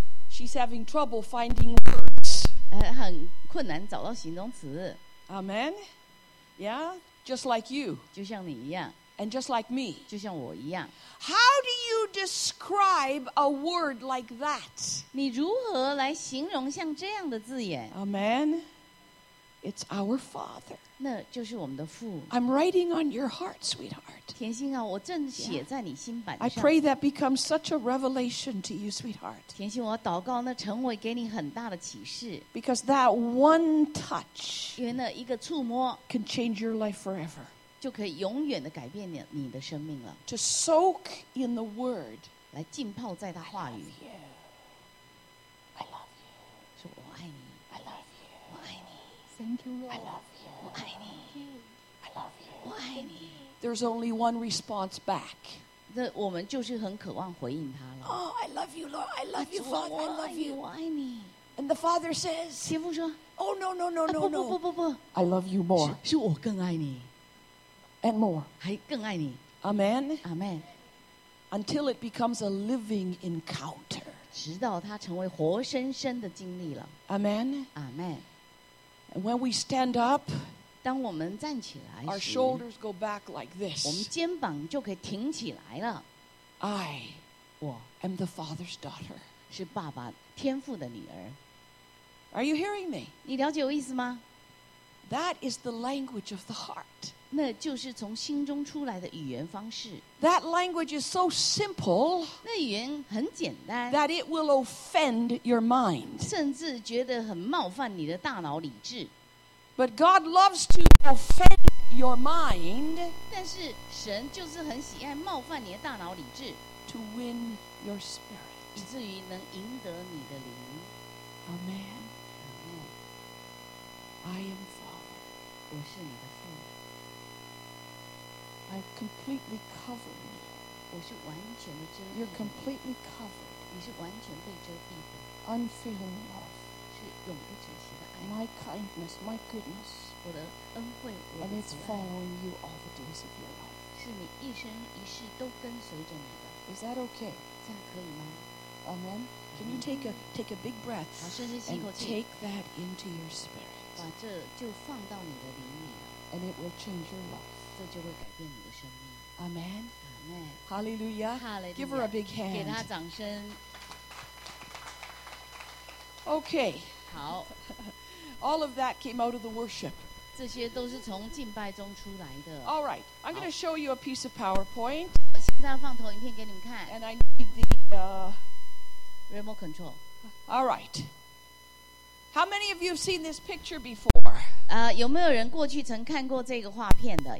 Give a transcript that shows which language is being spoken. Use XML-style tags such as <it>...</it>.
<en>She's having trouble finding words.</en> <zh>很困难找到形容词。</zh> <en>Amen. Yeah, just like you.</en> <zh>就像你一样。</zh> <en>And just like me.</en> <zh>就像我一样。</zh> <en>How do you describe a word like that?</en> <zh>你如何来形容像这样的字眼</zh> <en>Amen. It's our Father.</en> <zh>那就是我们的父。</zh> <en>I'm writing on your heart, sweetheart.</en> <zh>甜心啊，我正写在你心板上。</zh> <en>I pray that becomes such a revelation to you, sweetheart.</en> <zh>甜心，我祷告那成为给你很大的启示。</zh> <en>Because that one touch,</en> <zh>因为那一个触摸</zh> <en>can change your life forever.</en> <zh>就可以永远的改变你的生命了。</zh> <en>To soak in the word，</en> <zh>来浸泡在他话语。</zh> <en>I love you. I love you.</en> <zh>说我爱你。</zh> <en>I love you.</en> <zh>我爱你。</zh> <en>Thank you, Lord. I love you.</en> <zh>我爱你。</zh> <en>I love you.</en> <zh>我爱你。</zh> <en>There's only one response back.</en> <zh>那我们就是很渴望回应他了。</zh> <en>Oh, I love you, Lord. I love you, Father. I love you.</en> <zh>我爱你。</zh> <en>And the Father says,</en> <zh>天父说</zh> <en>Oh, no, no, no, no, no.</en> <zh>不不不不不。</zh> <en>I love you more.</en> <zh>是我更爱你。</zh> <en>And more.</en> <zh>还更爱你。</zh> <en>Amen. Amen. Until it becomes a living encounter.</en> <zh>直到它成为活生生的经历了。</zh> <en>Amen. Amen. And when we stand up,</en> <zh>当我们站起来时</zh> <en>our shoulders go back like this.</en> <zh>我们肩膀就可以挺起来了。</zh> <en>I,</en> <zh>我</zh> <en>am the Father's daughter.</en> <zh>是爸爸天父的女儿。</zh> <en>Are you hearing me?</en> <zh>你了解我意思吗？</zh> <en>That is the language of the heart.</en> <zh>那就是从心中出来的语言方式。</zh> <en>That language is so simple.</en> <zh>那语言很简单。</zh> <en>That it will offend your mind.</en> <zh>甚至觉得很冒犯你的大脑理智。</zh> <en>But God loves to offend your mind.</en> <zh>但是神就是很喜爱冒犯你的大脑理智。</zh> <en>To win your spirit.</en> <zh>以至于能赢得你的灵。</zh> <en>Amen. Amen. I am Father.</en> <zh>我是你的父。</zh> <en>I've completely covered you.</en> <zh>我是完全的遮蔽。</zh> <en>You're completely covered.</en> <zh>你是完全被遮蔽的。</zh> <en>Unfailing love.</en> <zh>是永不止息的爱。</zh> <en>My kindness, my goodness.</en> <zh>我的恩惠，我的慈爱。</zh> <en>And it's following you all the days of your life.</en> <zh>是你一生一世都跟随着你的。</zh> <en>Is that okay?</en> <zh>这样可以吗？</zh> <en>Amen. Can you take a big breath?</en> <zh>好，深深吸口气。</zh> <en>And take that into your spirit.</en> <zh>把这就放到你的灵里。</zh> <en>And it will change your life.</en> <zh>这就会改变你的生命。</zh> <en>Amen. Amen. Hallelujah. Hallelujah. Give her a big hand.</en> <zh>给她掌声。</zh> <en>Okay.</en> <zh>好。</zh> <en>All of that came out of the worship.</en> <zh>这些都是从敬拜中出来的。</zh> <en>All right. I'm going to show you a piece of PowerPoint.</en> <zh>我现在要放投影片给你们看。</zh> <en>And I need the remote control. All right. How many of you have seen this picture before?</en> <zh>有没有人过去曾看过这个画片的？</zh>